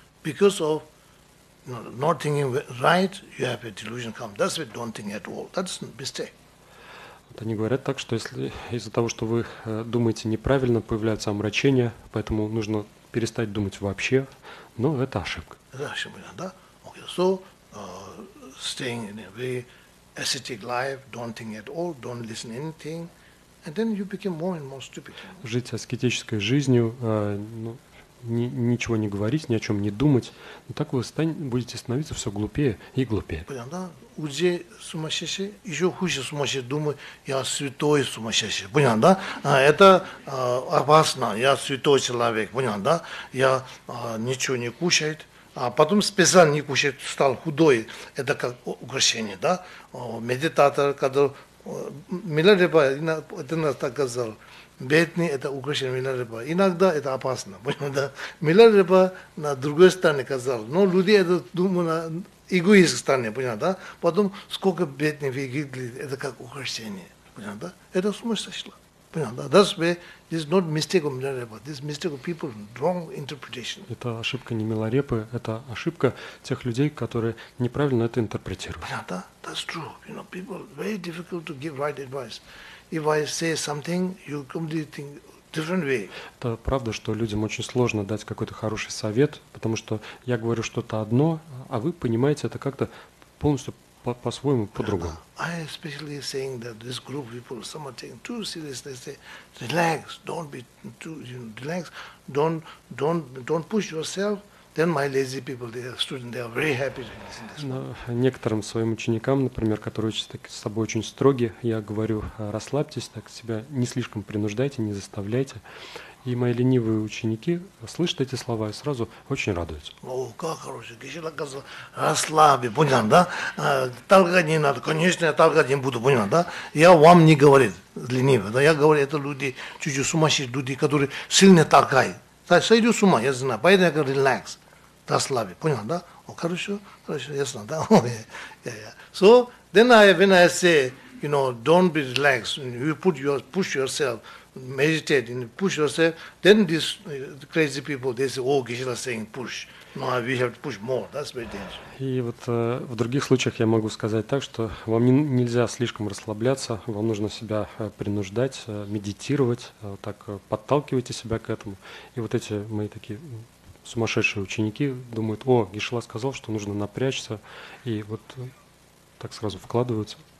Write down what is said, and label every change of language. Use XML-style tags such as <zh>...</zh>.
<en>Because of not thinking right, you have a delusion come. That's why don't think at all. That's a mistake.</en> <ru>Вот они говорят так, что если из-за того, что вы думаете неправильно, появляются омрачения, поэтому нужно перестать думать вообще. Но это ошибка. Да, понятно, да?</ru> <en>Okay, so staying in a very ascetic life, don't think at all, don't listen anything, and then you become more and more stupid.</en> <ru>Жить аскетической жизнью, ничего не говорить, ни о чем не думать, но так вы будете становиться все глупее и глупее. Понятно, да? Уже сумасшедший, еще хуже сумасшедший, думаю, я святой сумасшедший, понятно, да? Это опасно, я святой человек, понятно, да? Я ничего не кушаю, а потом специально не кушает, стал худой, это как украшение, да? Медитатор, когда Миларепа, ты нас так сказал, бедный – это украшение Миларепа. Иногда это опасно. Да? Миларепа на другой стороне сказал, но люди это думают на эгоистской стороне. Понимаете, да? Потом, сколько бедных выглядит, это как украшение. Понимаете, да? Это сумасшедшее. Понимаете, да?</ru> <en>That's why this is not mistake of Миларепа. This is mistake of people, wrong interpretation.</en> <ru>Это ошибка не Миларепы, это ошибка тех людей, которые неправильно это интерпретируют. Понимаете, да?</ru> <en>That's true. You know, people, very difficult to give right advice. If I say something, you completely think different way.</en> <ru>Это правда, что людям очень сложно дать какой-то хороший совет, потому что я говорю что-то одно, а вы понимаете это как-то полностью по-своему, по-другому.</ru> <en>I especially saying that this group of people some are taking too seriously. They say, relax, don't be too, you know, relax, don't push yourself. Then my lazy people, the students, they are very happy to listen to this.</en> <ru>Но некоторым своим ученикам, например, которые с собой очень строги, я говорю, расслабьтесь, так себя не слишком принуждайте, не заставляйте. И мои ленивые ученики слышат эти слова и сразу очень радуются. О, как хорошо. Кишила сказал, расслабь, понял, да? Толкать не надо. Конечно, я толкать не буду, понял, да? Я вам не говорю ленивый. Да? Я говорю, это люди, чуть-чуть сумасшедшие люди, которые сильно толкают. Сойду с ума, я знаю. Поэтому я говорю, релакс, расслабь. Понял, да? О, хорошо, хорошо, ясно, да?</ru> <en>So, then when I say, you know, don't be relaxed, you push yourself, meditate, and push yourself, then these crazy people, they say, oh, Geshe-la saying push. No, we have to push more. That's very dangerous.</en> <ru>И вот в других случаях я могу сказать так, что вам нельзя слишком расслабляться, вам нужно себя принуждать, медитировать, так подталкивайте себя к этому. И вот эти мои такие сумасшедшие ученики думают, о, Geshe-la сказал, что нужно напрячься, и вот так сразу вкладываются.</ru>